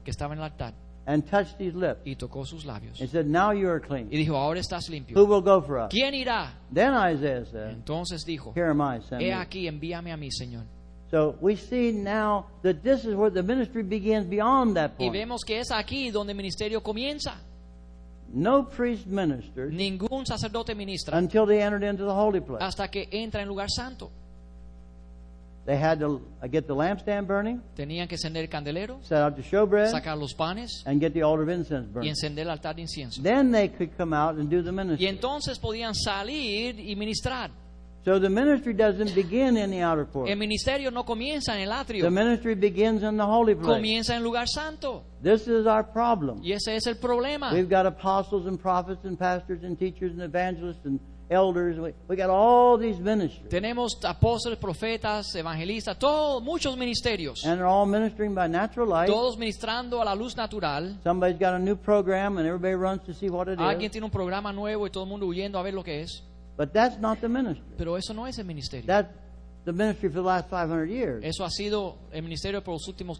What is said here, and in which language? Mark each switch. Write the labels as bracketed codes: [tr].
[es] que estaba en el altar, [en] and touched his lips, [es] y tocó sus labios. [en] He said, now you are clean. [es] Y dijo, ahora estás limpio. [en] Who will go for us? [es] ¿Quién irá? [en] Then Isaiah said, [es] entonces dijo, [en] here am I, send [es] me. He aquí, envíame a mí, Señor. [en] So we see now that this is where the ministry begins beyond that point. [es] Y vemos que es aquí donde el ministerio comienza. [en] No priest ministered, [es] ningún sacerdote ministra, [en] until they entered into the holy place, [es] hasta que entra en lugar santo. [en] They had to get the lampstand burning, [es] tenían que encender el candelero, [en] set out the showbread, [es] sacar los panes, [en] and get the altar of incense burning, [es] y encender el altar de incienso. [en] Then they could come out and do the ministry. [es] Y entonces podían salir y ministrar. [en] So the ministry doesn't begin in the outer court. [es] El ministerio no comienza en el atrio. [en] The ministry begins in the holy place. [es] Comienza en lugar santo. [en] This is our problem. [es] Y ese es el problema. [en] We've got apostles and prophets and pastors and teachers and evangelists and elders, we got all these ministries. [es] Tenemos apóstoles, profetas, evangelistas, todos muchos ministerios. [en] And they're all ministering by natural light. [es] Todos ministrando a la luz natural. [en] Somebody's got a new program and everybody runs to see what it is. [es] Alguien tiene un programa nuevo y todo el mundo huyendo a ver lo que es. [en] But that's not the ministry. [es] Pero eso no es el ministerio. [en] The ministry for the last 500 years. [es] Eso ha sido el ministerio por los últimos